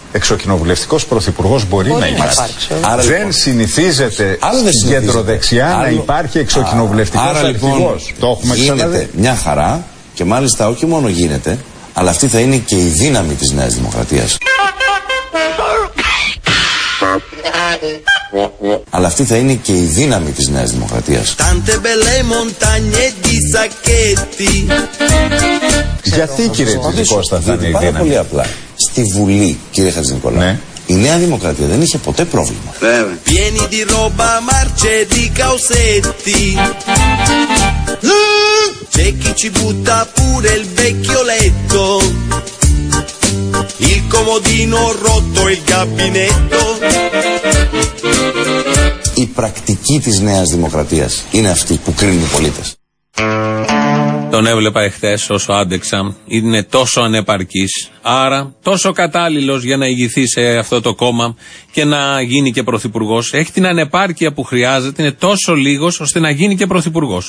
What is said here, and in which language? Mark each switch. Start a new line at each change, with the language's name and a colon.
Greek: Εξωκοινοβουλευτικός πρωθυπουργός μπορεί να υπάρξει. Άρα, δεν λοιπόν, συνηθίζεται στην κεντροδεξιά να υπάρχει εξωκοινοβουλευτικός πρωθυπουργός. Λοιπόν, το έχουμε ξαναδεί. Γίνεται μια χαρά και μάλιστα όχι μόνο γίνεται, αλλά αυτή θα είναι και η δύναμη της Νέας Δημοκρατίας. Αλλά αυτή θα είναι και η δύναμη της Νέας Δημοκρατίας.
Italian: Tante belle montagne di sacchetti.
Greek: Γιατί κύριε Τζιτζικώστα θα είναι η δύναμη? Πάρα πολύ απλά. Στη Βουλή, κύριε Χατζηνικολάου, ναι, η Νέα Δημοκρατία δεν είχε ποτέ πρόβλημα. Βέβαια.
Italian: Il comodino rotto il gabinetto.
Greek: Η πρακτική της Νέας Δημοκρατίας είναι αυτή που κρίνει οι πολίτες. Τον έβλεπα εχθές όσο άντεξα. Είναι τόσο ανεπαρκής, άρα τόσο κατάλληλος για να ηγηθεί σε αυτό το κόμμα και να γίνει και πρωθυπουργός. Έχει την ανεπάρκεια που χρειάζεται, είναι τόσο λίγος ώστε να γίνει και πρωθυπουργός.